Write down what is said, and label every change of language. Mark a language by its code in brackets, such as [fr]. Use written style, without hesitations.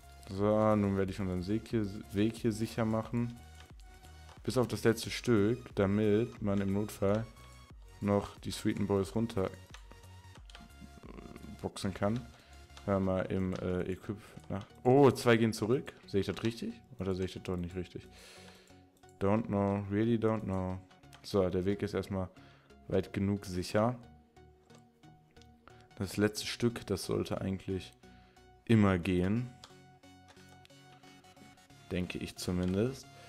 [de] So, nun werde ich unseren Weg hier sicher machen. Bis auf das letzte Stück, damit man im Notfall noch die Sweeten Boys runter boxen kann. Hör mal im Equip nach. Oh, zwei gehen zurück. Sehe ich das richtig? Oder sehe ich das doch nicht richtig? [en] Don't know, really don't know. [de] So, der Weg ist erstmal weit genug sicher. Das letzte Stück, das sollte eigentlich immer gehen. Denke ich zumindest.